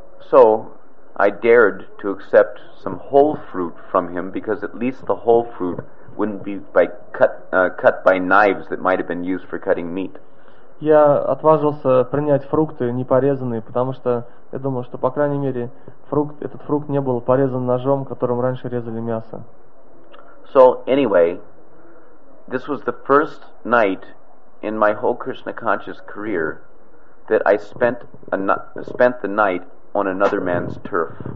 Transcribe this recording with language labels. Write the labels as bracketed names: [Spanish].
[English] So I dared to accept some whole fruit from him, because at least the whole fruit wouldn't be cut by knives that might have been used for cutting meat. [Russian] Я отважился принять фрукты непорезанные, потому что я думал, что по крайней мере этот фрукт не был порезан ножом, которым раньше резали мясо. [English] So anyway, this was the first night in my whole Krishna conscious career that I spent the night on another man's turf.